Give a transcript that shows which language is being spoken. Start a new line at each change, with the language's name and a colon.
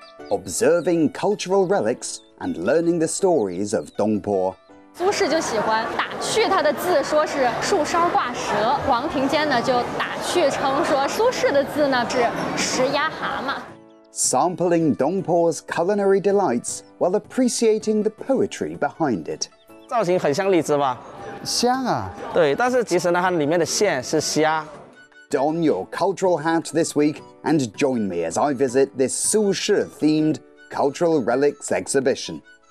English: observing cultural relics and learning the stories of Dongpo.
Chinese: 苏轼就喜欢打趣他的字，说是树梢挂蛇。黄庭坚呢就打趣称说苏轼的字呢是蛇压蛤蟆。
English: Sampling Dongpo's culinary delights while appreciating the poetry behind it.
Chinese: 造型很像荔枝吧？像啊。对，但是其实呢，它里面的馅是虾。
English: Don your cultural hat this week and join me as I visit this 苏轼 themed cultural relics exhibition.